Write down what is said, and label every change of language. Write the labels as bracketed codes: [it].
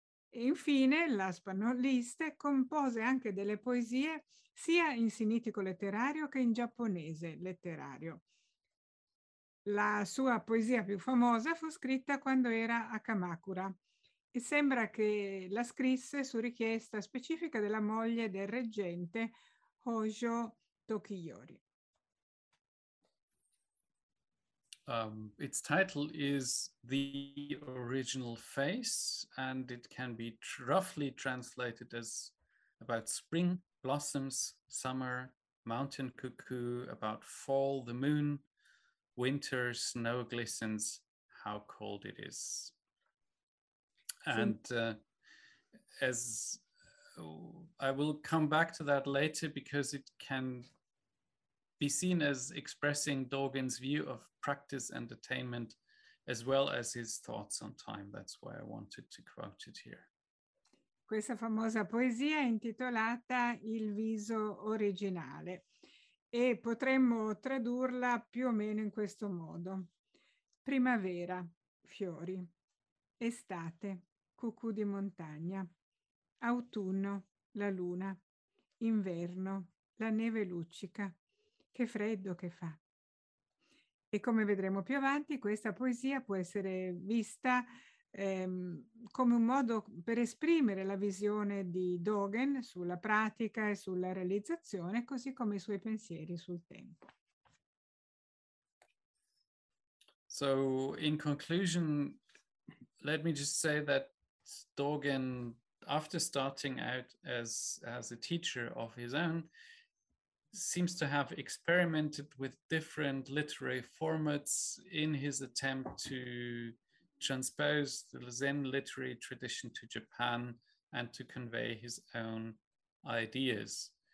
[it] Infine, [en] last but not least, [it] compose anche delle poesie sia in sinitico letterario che in giapponese letterario. La sua poesia più famosa fu scritta quando era a Kamakura, e sembra che la scrisse su richiesta specifica della moglie del reggente Hojo Tokiyori. [en] Its title is The Original Face, and it can be roughly translated as about spring blossoms, summer, mountain cuckoo, about fall, the moon, winter, snow glistens, how cold it is. And as I will come back to that later, because it can be seen as expressing Dogen's view of practice and attainment, as well as his thoughts on time. That's why I wanted to quote it here. [it] Questa famosa poesia è intitolata Il viso originale, e potremmo tradurla più o meno in questo modo: primavera, fiori, estate, cucù di montagna, autunno, la luna, inverno, la neve luccica, che freddo che fa. E come vedremo più avanti, questa poesia può essere vista come un modo per esprimere la visione di Dogen sulla pratica e sulla realizzazione, così come i suoi pensieri sul tempo. [en] So, in conclusion, let me just say that Dogen, after starting out as a teacher of his own, seems to have experimented with different literary formats in his attempt to transpose the Zen literary tradition to Japan and to convey his own ideas.